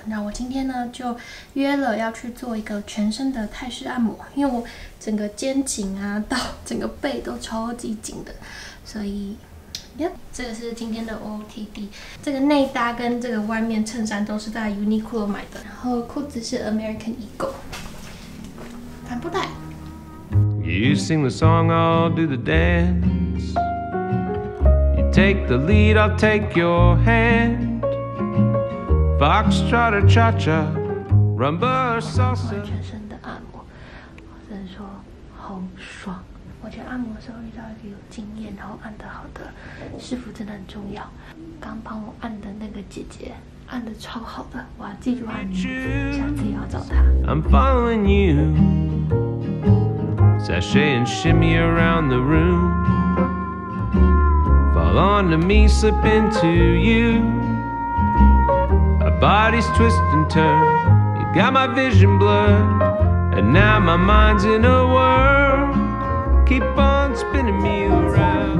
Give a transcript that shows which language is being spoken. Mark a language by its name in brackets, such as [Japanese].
[Chinese] 那我今天呢就约了要去做一个全身的泰式按摩，因为我整个肩颈啊到整个背都超级紧的，所以。 [English] Yep， [Chinese] 这个是今天的 [English] OOTD， [Chinese] 这个内搭跟这个外面衬衫都是在 Uniqlo 买的，然后裤子是 American Eagle， 帆布袋。 [English] You sing the song, I'll do the dance. You take the lead, I'll take your hand. Fox trotter, cha cha, rumba, salsa。 [Chinese] 全身的按摩，我只能说好爽。我觉得按摩的时候遇到一个有经验然后按得好的师傅真的很重要，刚帮我按的那个姐姐按得超好的，我要记住她名字，下次也要找她。 [English] I'm following you Sashay and shimmy around the room Fall on to me, slip into you Our bodies twist and turn You got my vision blurred And now my mind's in a whirlKeep on spinning me around.